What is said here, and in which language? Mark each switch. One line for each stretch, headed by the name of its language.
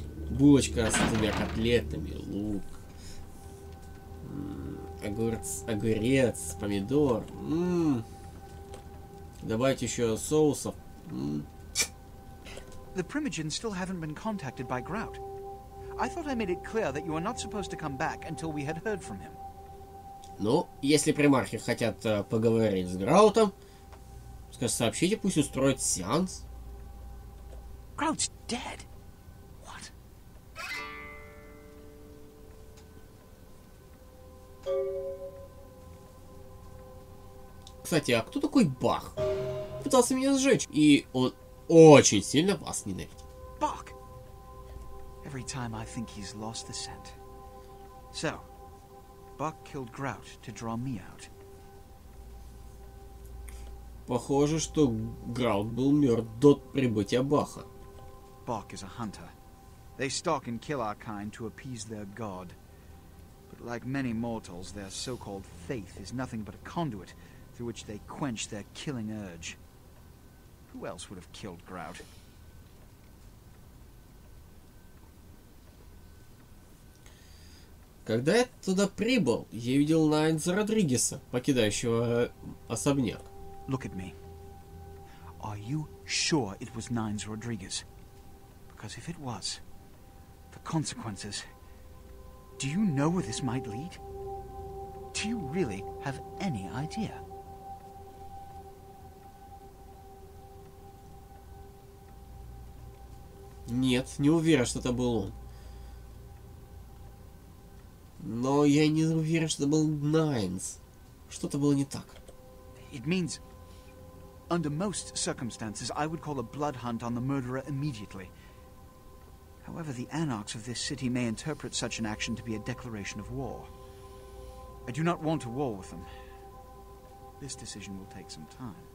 Russian: Булочка с двумя котлетами, лук, огурец, помидор. Добавить еще соусов.
English: The primogens still haven't been contacted by Grout. I thought I made it clear that you are not supposed to come back until we had heard from him.
Russian: Ну, если примархи хотят поговорить с Граутом, скажите, сообщите, пусть устроит сеанс.
English: Grout's dead. What?
Russian: Кстати, а кто такой Бах? Пытался меня сжечь, и он очень сильно вас ненавидит. Бах.
English: Every time I think he's lost the scent. So, Бах killed Grout to draw me out.
Russian: Похоже, что Grout был мертв до прибытия Баха.
English: Bark is a hunter. They stalk and kill our kind to appease their god. But like many mortals, their so-called faith is nothing but a conduit through which they quench their killing urge. Who else would have killed Grout?
Russian: Когда я туда прибыл, я видел Найнса Родригеса, покидающего особняк.
English: Look at me. Are you sure it was Найнс Родригес? Because if it was, the consequences. Do you know where this might lead? Do you really have any idea?
Russian: Нет, не уверен, что это был он. Но я не уверен, что это был Найнс. Что-то было не так.
English: It means, under most circumstances, I would call a blood hunt on the murderer immediately. However, the anarchs of this city may interpret such an action to be a declaration of war. I do not want a war with them. This decision will take some time.